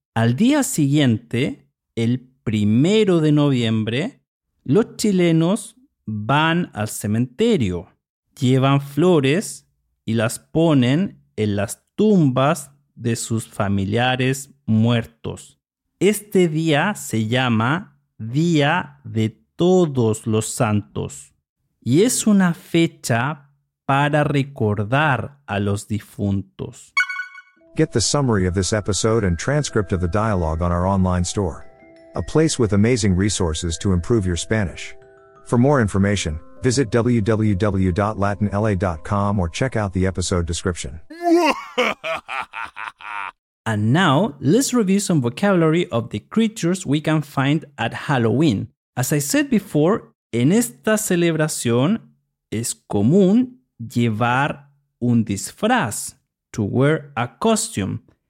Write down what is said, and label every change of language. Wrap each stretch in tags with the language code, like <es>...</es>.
<es>Al día siguiente, el 1 de noviembre, los chilenos van al cementerio, llevan flores y las ponen en las tumbas de sus familiares muertos. Este día se llama Día de Todos los Santos y es una fecha para recordar a los difuntos.</es> <en>Get the summary of this episode and transcript of the dialogue on our online store, a place with amazing resources to improve your Spanish. For more information, visit www.latinla.com or check out the episode description. And now, let's review some vocabulary of the creatures we can find at Halloween. As I said before,</en> <es>en esta celebración es común llevar un disfraz,</es> <en>to wear a costume.</en>